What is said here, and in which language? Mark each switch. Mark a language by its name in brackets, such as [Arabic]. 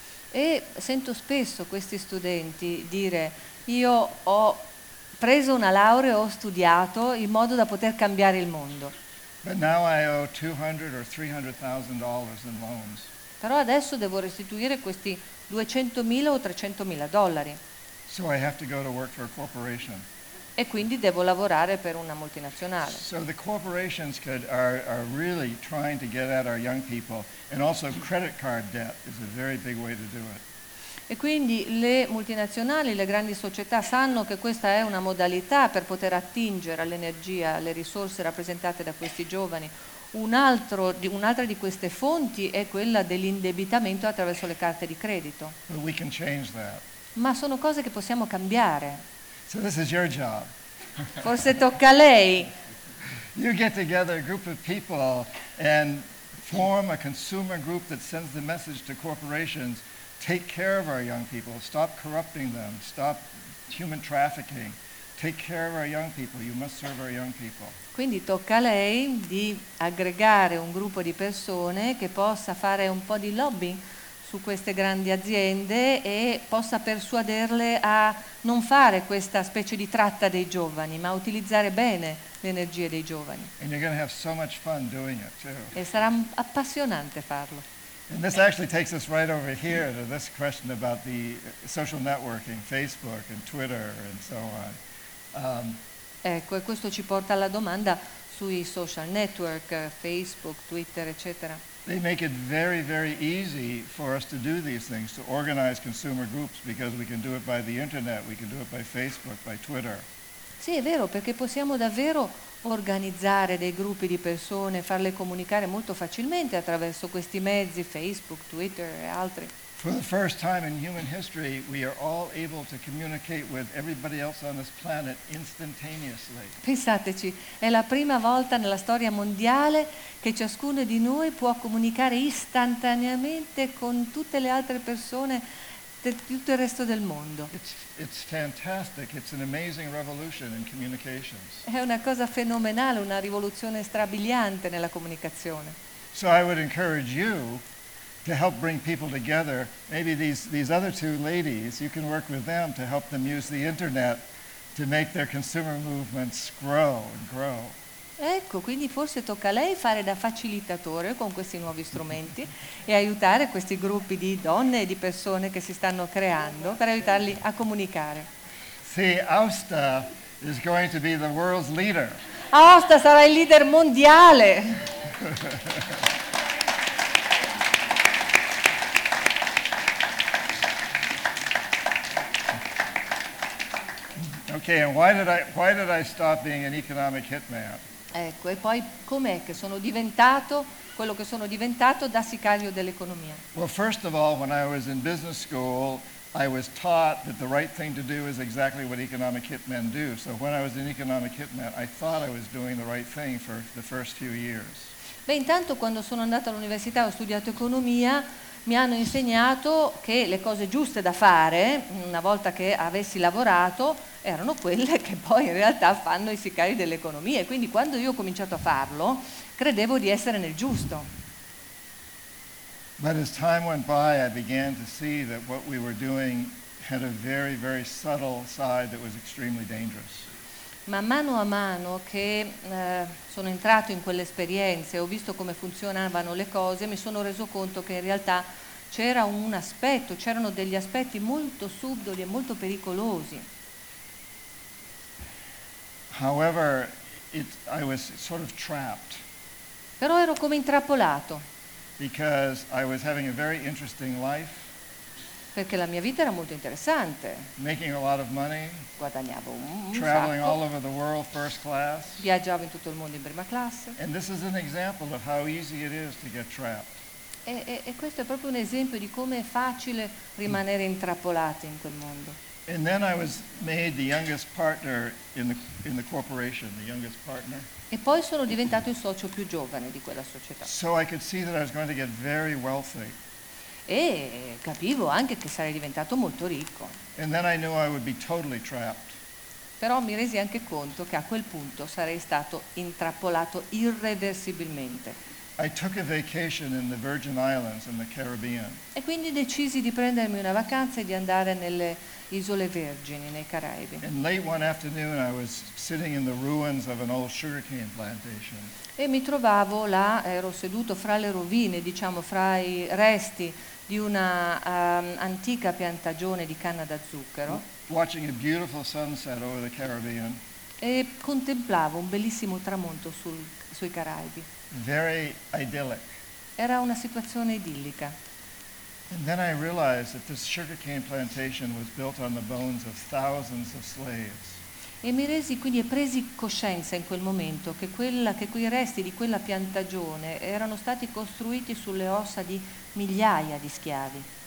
[Italian] E sento spesso questi studenti dire, io ho preso una laurea, ho studiato in modo da poter cambiare il mondo. [English] But now I owe $200,000 or $300,000 in loans. [Italian] Però adesso devo restituire questi $200,000 [English] or [Italian] $300,000. [English] So I have to go to work for a corporation. [Italian] E quindi devo lavorare per una multinazionale. [English] So the corporations are really trying to get at our young people, and also credit card debt is a very big way to do it. [Italian] E quindi le multinazionali, le grandi società sanno che questa è una modalità per poter attingere all'energia, alle risorse rappresentate da questi giovani. Un'altra di queste fonti è quella dell'indebitamento attraverso le carte di credito. [English] But we can change that. [Italian] Ma sono cose che possiamo cambiare. [English] So this is your job. [Italian] Forse tocca a lei. [English] You get together a group of people and form a consumer group that sends the message to corporations. Take care of our young people, stop corrupting them, stop human trafficking, take care of our young people, you must serve our young people. [Italian] Quindi tocca a lei di aggregare un gruppo di persone che possa fare un po' di lobbying su queste grandi aziende e possa persuaderle a non fare questa specie di tratta dei giovani, ma utilizzare bene l'energia dei giovani. [English] And you're going to have so much fun doing it too. [Italian] E sarà appassionante farlo. [English] And this actually takes us right over here to this question about the social networking, Facebook and Twitter and so on. [Italian] Ecco, e questo ci porta alla domanda sui social network, Facebook, Twitter, eccetera. [English] They make it very, very easy for us to do these things, to organize consumer groups, because we can do it by the internet, we can do it by Facebook, by Twitter. [Italian] Sì, è vero, perché possiamo davvero organizzare dei gruppi di persone, farle comunicare molto facilmente attraverso questi mezzi, Facebook, Twitter e altri. [English] For the first time in human history, we are all able to communicate with everybody else on this planet instantaneously. [Italian] Pensateci, è la prima volta nella storia mondiale che ciascuno di noi può comunicare istantaneamente con tutte le altre persone di tutto il resto del mondo. [English] It's fantastic. It's an amazing revolution in communications. [Italian] È una cosa fenomenale, una rivoluzione strabiliante nella comunicazione. [English] So I would encourage you to help bring people together. Maybe these other two ladies, you can work with them to help them use the internet to make their consumer movements grow and grow. [Italian] Ecco, quindi forse tocca a lei fare da facilitatore con questi nuovi strumenti e aiutare questi gruppi di donne e di persone che si stanno creando per aiutarli a comunicare. Sì, [English] Aosta is going to be the world's leader. [Italian] Aosta sarà il leader mondiale. [English] Okay, and why did I stop being an economic hitman? [Italian] Ecco, e poi com'è che sono diventato quello che sono diventato da sicario dell'economia? [English] Well, first of all, when I was in business school, I was taught that the right thing to do is exactly what economic hitmen do. So when I was an economic hitman, I thought I was doing the right thing for the first few years. [Italian] Beh, intanto quando sono andato all'università ho studiato economia, mi hanno insegnato che le cose giuste da fare, una volta che avessi lavorato, erano quelle che poi in realtà fanno i sicari dell'economia. E quindi quando io ho cominciato a farlo, credevo di essere nel giusto. [English] But as time went by, I began to see that what we were doing had a very, very subtle side that was extremely dangerous. [Italian] Man mano a mano che sono entrato in quelle esperienze, ho visto come funzionavano le cose, mi sono reso conto che in realtà c'era un aspetto, c'erano degli aspetti molto subdoli e molto pericolosi. [English] However, I was sort of trapped. [Italian] Però ero come intrappolato. [English] Because I was having a very interesting life. [Italian] Perché la mia vita era molto interessante. [English] Making a lot of money. [Italian] Guadagnavo un [English] traveling [Italian] sacco. [English] All over the world first class. [Italian] Viaggiavo in tutto il mondo in prima classe. [English] And this is an example of how easy it is to get trapped. [Italian] E questo è proprio un esempio di come è facile rimanere intrappolati in quel mondo. [English] And then I was made the youngest partner in the corporation, the youngest partner. [Italian] E poi sono diventato il socio più giovane di quella società. [English] So I could see that I was going to get very wealthy. [Italian] E capivo anche che sarei diventato molto ricco. [English] And then I knew I would be totally trapped. [Italian] Però mi resi anche conto che a quel punto sarei stato intrappolato irreversibilmente. [English] I took a vacation in the Virgin Islands in the Caribbean. [Italian] E quindi decisi di prendermi una vacanza e di andare nelle Isole Vergini, nei Caraibi. [English] And late one afternoon I was sitting in the ruins of an old sugarcane plantation. [Italian] E mi trovavo là, ero seduto fra le rovine, diciamo, fra i resti di una antica piantagione di canna da zucchero. [English] Watching a beautiful sunset over the Caribbean. [Italian] E contemplavo un bellissimo tramonto sui Caraibi. [English] Very idyllic. [Italian] Era una situazione idillica. [English] And then I realized that this sugarcane plantation was built on the bones of thousands of slaves. [Italian] E mi resi quindi e presi coscienza in quel momento che quei resti di quella piantagione erano stati costruiti sulle ossa di migliaia di schiavi.